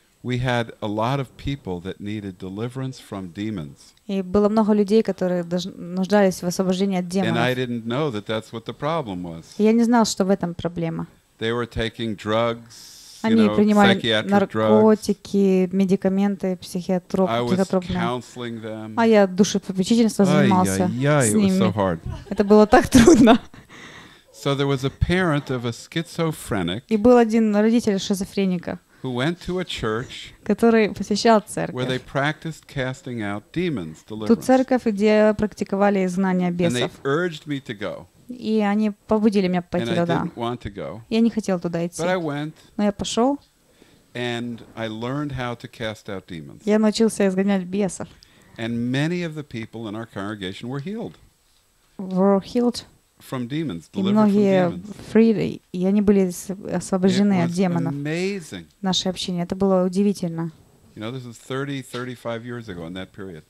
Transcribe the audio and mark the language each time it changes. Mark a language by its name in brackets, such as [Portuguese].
[English] We had a lot of people that needed deliverance from demons. [Russian] И было много людей, которые нуждались в освобождении от демонов. [English] And I didn't know that that's what the problem was. [Russian] Я не знал, что в этом проблема. [English] They were taking drugs, [Russian] они принимали наркотики, [English] drugs. [Russian] Медикаменты, психотропные. А я душепопечительством занимался с ними. [English] So hard. [Russian] Это было так трудно. [English] So there was a parent of a schizophrenic. [Russian] И был один родитель шизофреника. [English] Who went to a church, [Russian] который посещал церковь, [English] where they practiced casting out demons, [Russian] deliverance. Ту церковь, где практиковали изгнание бесов. [English] And they urged me to go. [Russian] И они побудили меня пойти [English] and [Russian] туда. [English] I didn't want to go. [Russian] Я не хотел туда идти. [English] But I went, [Russian] но я пошел. [English] And I learned how to cast out demons. [Russian] Я научился изгонять бесов. [English] And many of the people in our congregation were healed. Were healed. From demons, [Russian] и многие фриды, и они были освобождены от демонов. [English] Amazing. [Russian] Наше общение, это было удивительно. [English] You know, this was 30-35 years ago in that period.